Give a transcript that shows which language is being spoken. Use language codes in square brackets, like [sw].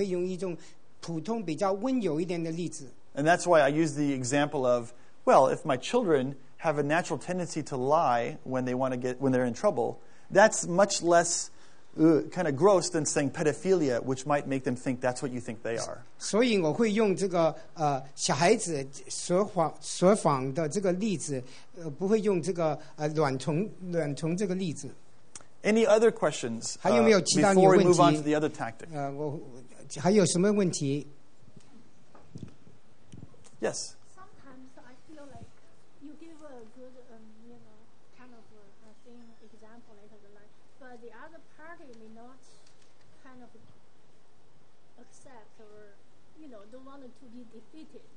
[zh] 我不会用这种例子，因为这种例子是很令得人很难过。我会用一种普通比较温柔一点的例子。 [en] And that's why I use the example of, well, if my children have a natural tendency to lie when they're in trouble, that's much less kind of gross than saying pedophilia, which might make them think that's what you think they are. [zh] 所以我会用这个小孩子说谎的这个例子，不会用这个卵虫这个例子。 [en] Any other questions before we move on to the other tactic? [zh] 还有什么问题？ [en] Yes. Sometimes I feel like you give a good, you know, kind of a thing, example, like the line, but the other party may not kind of accept or, you know, don't want to be defeated.